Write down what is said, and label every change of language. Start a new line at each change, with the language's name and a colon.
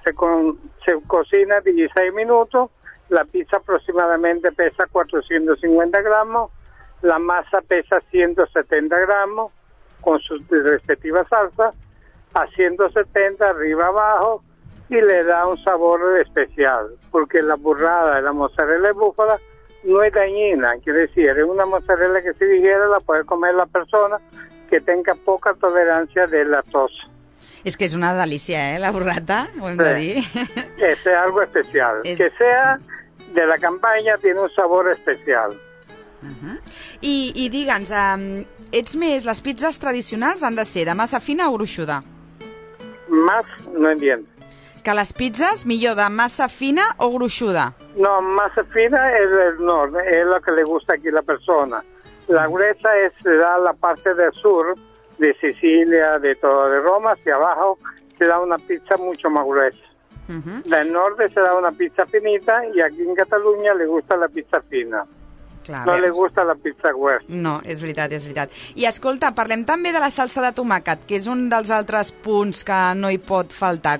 Spanish: Se cocina 16 minutos, la pizza aproximadamente pesa 450 gramos, la masa pesa 170 gramos con su respectiva salsa, a 170 arriba abajo, y le da un sabor especial, porque la burrada de la mozzarella de búfala no es dañina, quiere decir, es una mozzarella que si digiera la puede comer la persona que tenga poca tolerancia de la tos. Es que es una delicia, ¿eh? La burrata,
Catalan: ho hem de dir.
Spanish: Es algo especial. Es... Que sea de la campaña, tiene un sabor especial.
Catalan: I digue'ns, ets més, les pizzas tradicionals han de ser de massa fina o gruixuda?
Spanish: Más, no entiendo.
Catalan: Que les pizzas, millor de massa fina o gruixuda?
Spanish: No,
Catalan: massa fina
Spanish: es el nord, es lo que le gusta aquí la persona. La gruesa es la parte del sur, de Sicilia, de todo, de Roma, hacia abajo, se da una pizza mucho más gruesa. Uh-huh. Del norte se da una pizza finita y aquí en Cataluña le gusta la pizza fina.
Catalan: Clar,
Spanish: no le gusta la pizza gruesa.
Catalan: No, és veritat, és veritat. I escolta, parlem també de la salsa de tomàquet, que és un dels altres punts que no hi pot faltar.